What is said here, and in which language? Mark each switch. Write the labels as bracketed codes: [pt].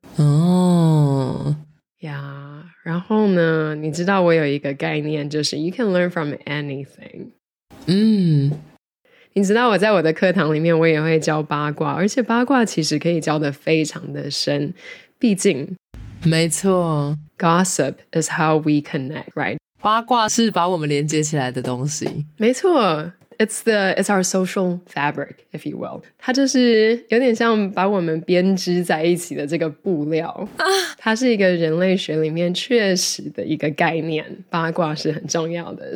[zh] 哦呀，然后呢，你知道我有一个概念，就是 [en] You can learn from anything。嗯， [zh] 你知道我在我的课堂里面我也会教八卦，而且八卦其实可以教得非常的深，毕竟没错， [en] Gossip is how we connect, right? [zh] 八卦是把我们连接起来的东西，没错。 [en] It's our social fabric, if you will. [zh] 它就是有点像把我们编织在一起的这个布料。它是一个人类学里面确实的一个概念，八卦是很重要的。